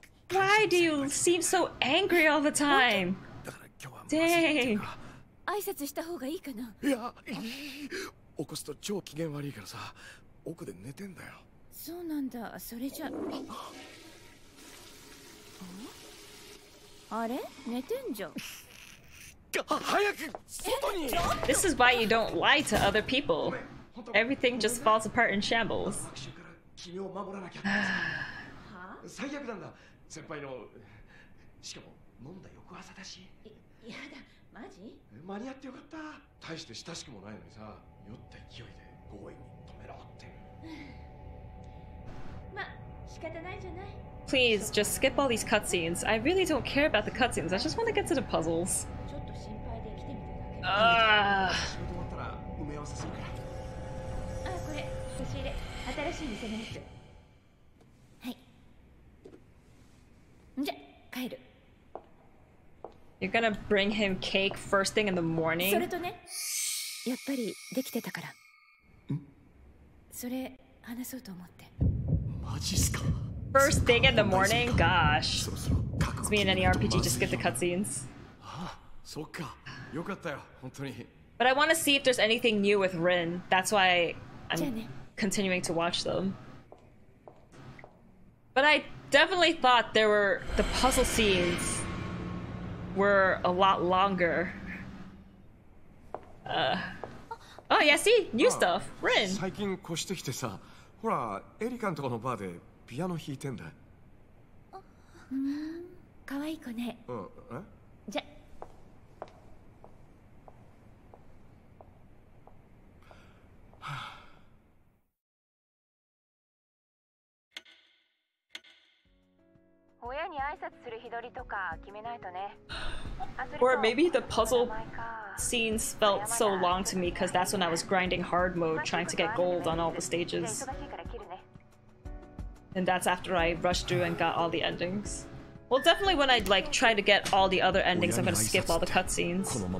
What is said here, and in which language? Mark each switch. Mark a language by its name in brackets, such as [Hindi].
[English] Why do you seem so angry all the time? Dang. [Japanese] 挨拶した方がいいかな。いや、起こすと超機嫌悪いからさ、奥で寝てんだよ。そうなんだ。それじゃ、あれ寝てんじゃん。早く外に。 [English] This is why you don't lie to other people. Everything just falls apart in shambles. [Japanese] 君を守らなきゃ。最悪なんだ。先輩の、しかも飲んだ翌朝だし。やだ、マジ？間に合ってよかった。大して親しくもないのにさ、酔った勢いで強引に止めろって。ま、仕方ないじゃない。 [English] Please, just skip all these cutscenes. I really don't care about the cutscenes. I just want to get to the puzzles. [Japanese] ちょっと心配で来てみただけ。仕事終わったら埋め合わせするから。あ、これ差し入れ。新しい店のやつ。はい。んじゃ、帰る。 [English] You're gonna bring him cake first thing in the morning? [Japanese] それとね、やっぱりできてたから。ん？それ話そうと思って。マジっすか？ [English] First thing in the morning? Gosh. It's me in any RPG just get the cutscenes. [Japanese] そっか。よかったよ、本当に。 [English] But I want to see if there's anything new with Rin. That's why I'm continuing to watch them. But I definitely thought there were the puzzle scenes. Were a lot longer. Oh, yeah, see? New stuff. Rin! I think I'm going to go to the bar to play the piano. Oh, I'm going to go to the [Japanese] に挨拶する日取りとか決めないとね。 [English] Or maybe the puzzle scenes felt so long to me because that's when I was grinding hard mode trying to get gold on all the stages. And that's after I rushed through and got all the endings. Well, definitely when I like try to get all the other endings, I'm gonna skip all the cutscenes.